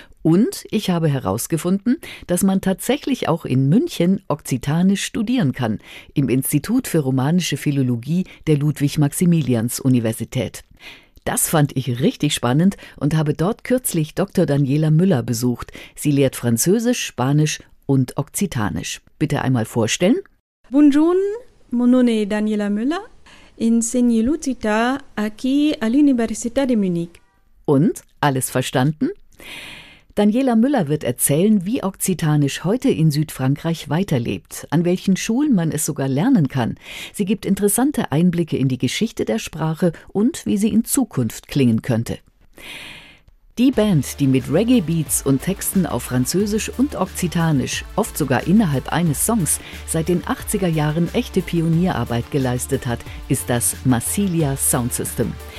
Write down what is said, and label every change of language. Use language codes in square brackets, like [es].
[de] Und ich habe herausgefunden, dass man tatsächlich auch in München Okzitanisch studieren kann, im Institut für Romanische Philologie der Ludwig-Maximilians-Universität. Das fand ich richtig spannend und habe dort kürzlich Dr. Daniela Müller besucht. Sie lehrt Französisch, Spanisch und Okzitanisch. Bitte einmal vorstellen. [fr] Bonjour, mon nom est Daniela Müller. Enseigne l'occitan aquí à l'Université de Munich. [de] Und, alles verstanden? Daniela Müller wird erzählen, wie Okzitanisch heute in Südfrankreich weiterlebt, an welchen Schulen man es sogar lernen kann. Sie gibt interessante Einblicke in die Geschichte der Sprache und wie sie in Zukunft klingen könnte. Die Band, die mit Reggae-Beats und Texten auf Französisch und Okzitanisch, oft sogar innerhalb eines Songs, seit den 80er Jahren echte Pionierarbeit geleistet hat, ist das Massilia Sound System.